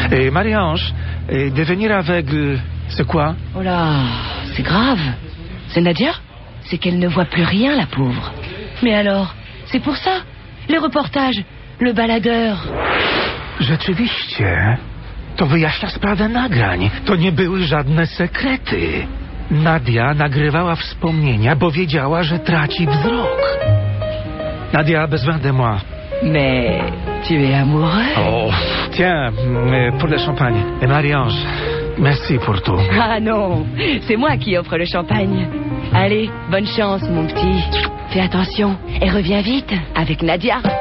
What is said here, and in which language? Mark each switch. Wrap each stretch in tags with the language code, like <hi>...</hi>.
<fr>Marie-Ange, devenir aveugle, c'est quoi? Oh là, c'est grave. C'est Nadia? C'est qu'elle ne voit plus rien, la pauvre. Mais alors, c'est pour ça? Les reportages, le baladeur.</fr> <pl>Rzeczywiście, to wyjaśnia sprawę nagrań. To nie były żadne sekrety. Nadia nagrywała wspomnienia, bo wiedziała, że traci wzrok.</pl> <fr>Nadia, besoin de moi. Mais tu es amoureux. Oh, tiens, pour le champagne. Et Marie-Ange, merci pour tout. Ah non, c'est moi qui offre le champagne. Allez, bonne chance, mon petit. Fais attention et reviens vite avec Nadia.</fr>